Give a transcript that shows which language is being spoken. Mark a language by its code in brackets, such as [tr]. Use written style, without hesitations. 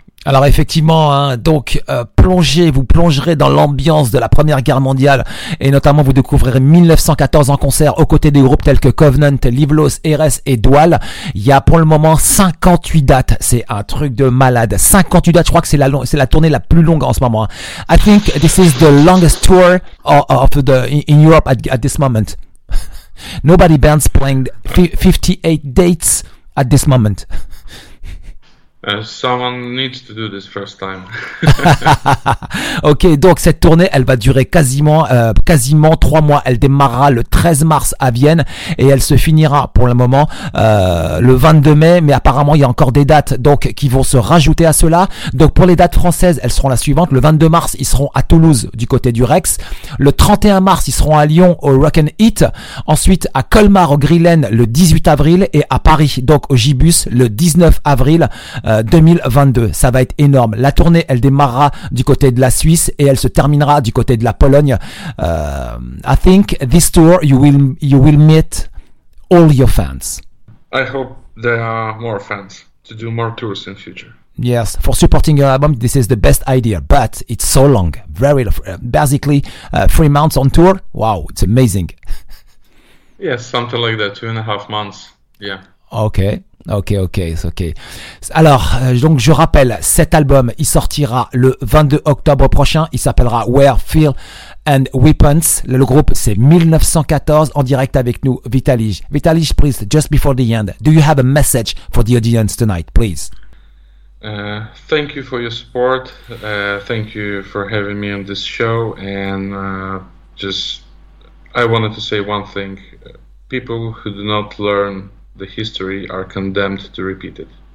[fr] Alors effectivement, hein, donc vous plongerez dans l'ambiance de la Première Guerre mondiale et notamment vous découvrirez 1914 en concert aux côtés des groupes tels que Covenant, Livlos, Eres et Dual. Il y a pour le moment 58 dates, c'est un truc de malade. 58 dates, je crois que c'est la tournée la plus longue en ce moment. Hein. [en] I think this is the longest tour in Europe at this moment. Nobody bands playing 58 dates at this moment. Someone needs to do this first time. [fr] Ok, donc cette tournée, elle va durer quasiment 3 mois. Elle démarrera le 13 mars à Vienne et elle se finira pour le moment le 22 mai. Mais apparemment, il y a encore des dates donc qui vont se rajouter à cela. Donc pour les dates françaises, elles seront la suivante. Le 22 mars, ils seront à Toulouse du côté du Rex. Le 31 mars, ils seront à Lyon au Rock'n'Eat. Ensuite, à Colmar au Grillen le 18 avril et à Paris, donc au Gibus le 19 avril. 2022, ça va être énorme. La tournée, elle démarrera du côté de la Suisse et elle se terminera du côté de la Pologne. [en] I think this tour, you will meet all your fans. I hope there are more fans to do more tours in future. Yes, for supporting your album, this is the best idea, but it's so long. Very, basically, 3 months on tour. Wow, it's amazing. Yes, something like that, 2.5 months. Yeah. Okay. Ok. [fr] Alors, donc je rappelle, cet album, il sortira le 22 octobre prochain. Il s'appellera Where Fear and Weapons. Le groupe, c'est 1914 en direct avec nous, Vitalij. [en] Vitalij, please, just before the end, do you have a message for the audience tonight, please? Thank you for your support. Thank you for having me on this show. And just, I wanted to say one thing. People who do not learn the history are condemned to repeat it.